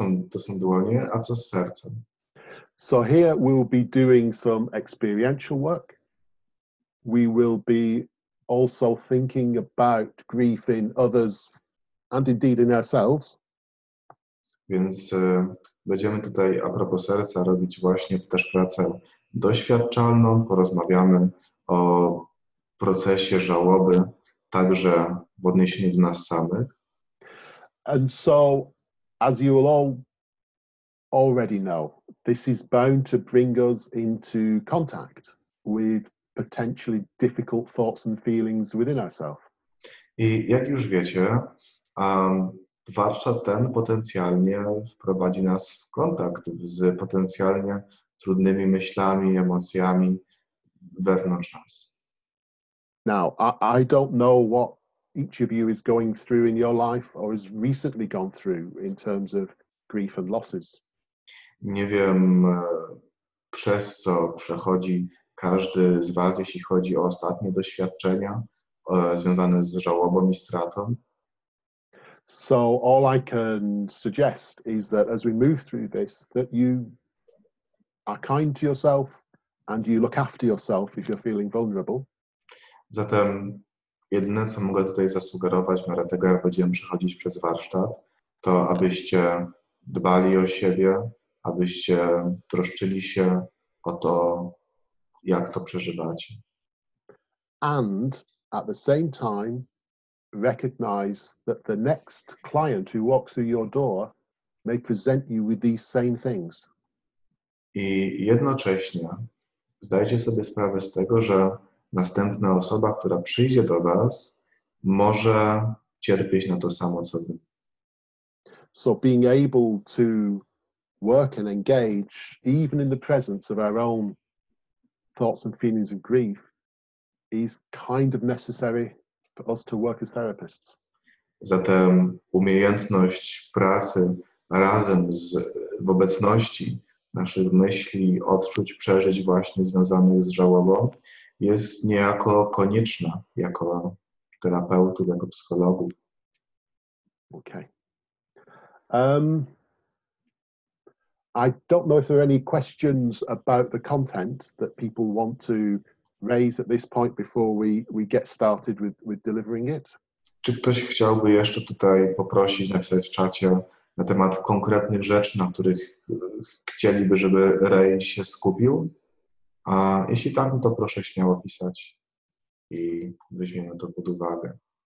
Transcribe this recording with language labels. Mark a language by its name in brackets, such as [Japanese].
[Polish] To są dłonie, a co z sercem? [English] So here we'll be doing some experiential work. We will be also thinking about grief in others. And indeed in ourselves. [Polish] Więc będziemy tutaj a propos serca robić właśnie też pracę doświadczalną, porozmawiamy o procesie żałoby, także w odniesieniu do nas samych. [English] And so, as you will all already know, this is bound to bring us into contact with potentially difficult thoughts and feelings within ourselves. [Polish] I jak już wiecie, warsztat ten potencjalnie wprowadzi nas w kontakt z potencjalnie trudnymi myślami, emocjami wewnątrz nas. [English] Now, I don't know what each of you is going through in your life or has recently gone through in terms of grief and losses. [Polish] Nie wiem, przez co przechodzi każdy z was, jeśli chodzi o ostatnie doświadczenia związane z żałobą i stratą. [English] So all I can suggest is that as we move through this, that you are kind to yourself and you look after yourself if you're feeling vulnerable. [Polish] Zatem jedyne, co mogę tutaj zasugerować w miarę tego, jak będziemy przechodzić przez warsztat, to abyście dbali o siebie, abyście troszczyli się o to, jak to przeżywacie. [English] And at the same time, recognize that the next client who walks through your door may present you with these same things. [Polish] I jednocześnie zdajcie sobie sprawę z tego, że następna osoba, która przyjdzie do was, może cierpieć na to samo, co wy. [English] So being able to work and engage even in the presence of our own thoughts and feelings of grief is kind of necessary for us to work as therapists. [Polish] Zatem umiejętność pracy razem z w obecności naszych myśli, odczuć, przeżyć właśnie związanych z żałobą jest niejako konieczna jako terapeutów, jako psychologów. [English] Okay. I don't know if there are any questions about the content that people want to raise at this point before we get started with delivering it. [Polish] Czy ktoś chciałby jeszcze tutaj poprosić, napisać w czacie na temat konkretnych rzeczy, na których chcieliby, żeby Ray się skupił. A jeśli tak, to proszę śmiało pisać i weźmiemy to pod uwagę.